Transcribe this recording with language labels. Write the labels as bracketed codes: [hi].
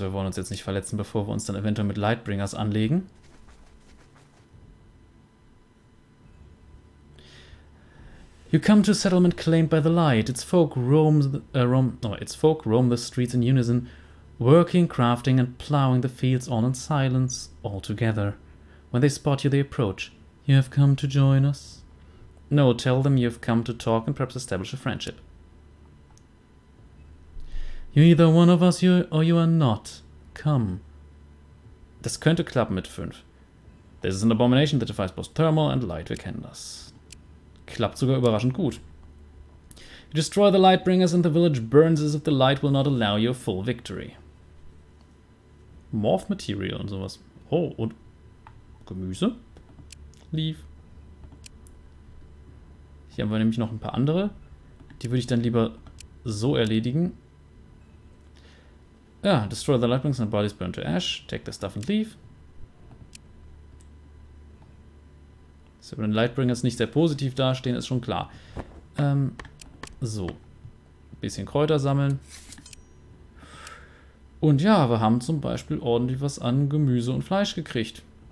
[de] Wir wollen uns jetzt nicht verletzen, bevor wir uns dann eventuell mit Lightbringers anlegen. [en] You come to a settlement claimed by the light. Its folk roam the, roam the streets in unison, working, crafting and plowing the fields all in silence, all together. When they spot you, they approach. You have come to join us? No, tell them you have come to talk and perhaps establish a friendship. You're either one of us or you are not. Come. [de] Das könnte klappen mit 5. [en] This is an abomination that defies both thermal and light. [de] Wir kennen das. Klappt sogar überraschend gut. [en] You destroy the Lightbringers and the village burns as if the light will not allow you a full victory. [de] Morph material und sowas. Oh, und Gemüse. Leave. Hier haben wir nämlich noch ein paar andere. Die würde ich dann lieber so erledigen. [en] Ja, destroy the lightbringers and bodies burn to ash. Take the stuff and leave. [de] So, wenn Lightbringers nicht sehr positiv dastehen, ist schon klar. So. Bisschen Kräuter sammeln. Und ja, wir haben zum Beispiel ordentlich was an Gemüse und Fleisch gekriegt.